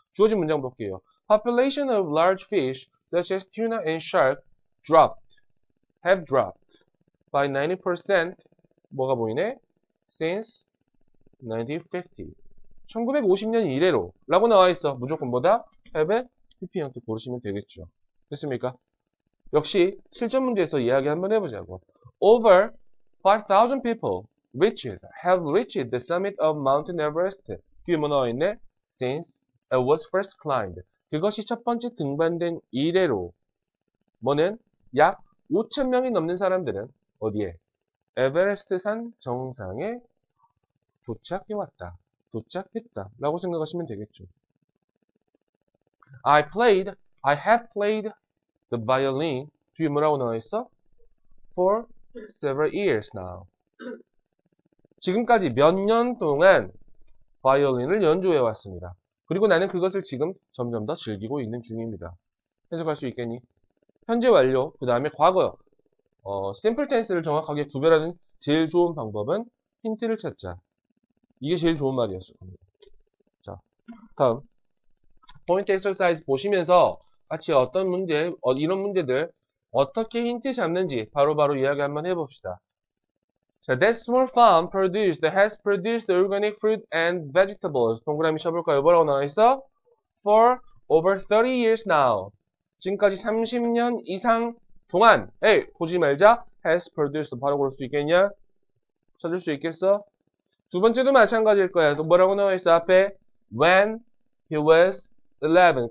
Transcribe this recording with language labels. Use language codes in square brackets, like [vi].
[ko] 주어진 문장 볼게요. [en] Population of large fish such as tuna and shark dropped, have dropped by 90%. [ko] 뭐가 보이네? [en] Since 1950. [ko] 1950년 이래로 라고 나와 있어. 무조건 뭐다? have의 PP 형태 고르시면 되겠죠. 됐습니까? 역시 실전 문제에서 이야기 한번 해보자고. [en] Over 5,000 people have reached the summit of Mount Everest. [ko] 뒤에 뭐 나와 있네? [en] Since it was first climbed. [ko] 그것이 첫 번째 등반된 이래로. 뭐는? 약 5,000명이 넘는 사람들은 어디에? 에베레스트 산 정상에 도착해왔다. 도착했다. 라고 생각하시면 되겠죠. [en] I have played the violin. [ko] 뒤에 뭐라고 나와 있어? [en] For several years now. [ko] 지금까지 몇년 동안 바이올린을 연주해왔습니다. 그리고 나는 그것을 지금 점점 더 즐기고 있는 중입니다. 해석할 수 있겠니? 현재 완료, 그 다음에 과거. 심플 텐스를 정확하게 구별하는 제일 좋은 방법은 힌트를 찾자. 이게 제일 좋은 말이었을 겁니다. 자, 다음. 포인트 엑서사이즈 보시면서 같이 어떤 문제, 이런 문제들 어떻게 힌트 잡는지 바로바로 이야기 한번 해봅시다. [en] 자, that small farm produced, has produced organic fruit and vegetables. [ko] 동그라미 쳐볼까요? 뭐라고 나와 있어? [en] For over 30 years now. [ko] 지금까지 30년 이상 동안, 에이, 보지 말자. [en] has produced. [ko] 바로 그럴 수 있겠냐? 찾을 수 있겠어? 두 번째도 마찬가지일 거야. 또 뭐라고 나와 있어? 앞에. [en] When he was 11.